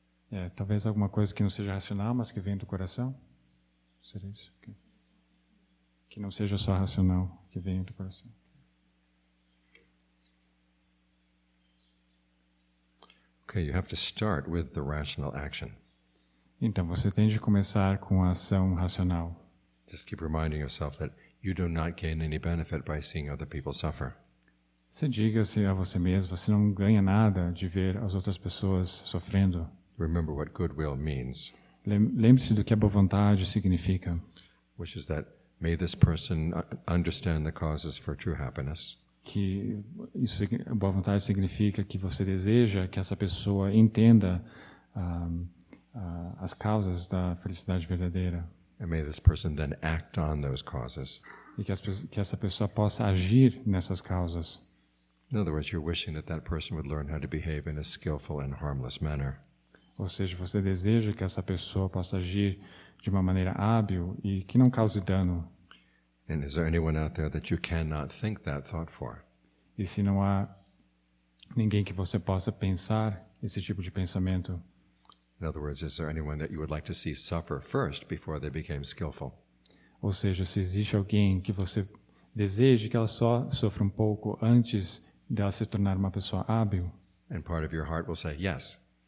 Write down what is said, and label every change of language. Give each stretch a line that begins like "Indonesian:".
Portuguese: É, talvez alguma coisa que não seja racional, mas que venha do coração. Seria isso? Okay. Que não seja só racional, que venha do coração.
English: Okay, you have to start with the rational action.
Portuguese: Então, você tem de começar com a ação racional.
English: Just keep reminding yourself that you do not gain any benefit by seeing other people suffer.
Portuguese: Você diga-se a você mesmo, você não ganha nada de ver as outras pessoas sofrendo.
English: Remember what goodwill means.
Portuguese: Lembre-se do que a boa vontade significa.
English: Which is that may this person understand the causes for true happiness.
Portuguese: Que isso, a boa vontade significa que você deseja que essa pessoa entenda as causas da felicidade verdadeira.
English: And may this person then act on those causes.
Portuguese: E que essa pessoa possa agir nessas causas.
English: In other words, you're wishing that that person would learn how to behave in a skillful and harmless manner.
Portuguese: Ou seja, você deseja que essa pessoa possa agir de uma maneira hábil e que não cause dano.
English: And is there anyone out there that you cannot think that thought for?
Portuguese: E se não há ninguém que você possa pensar esse tipo de pensamento?
English: In other words, is there anyone that you would like to see suffer first before they became skillful?
Portuguese: Ou seja, se existe alguém que você deseja que ela só sofra um pouco antes dela se tornar uma pessoa hábil?
English: And part of your heart will say yes.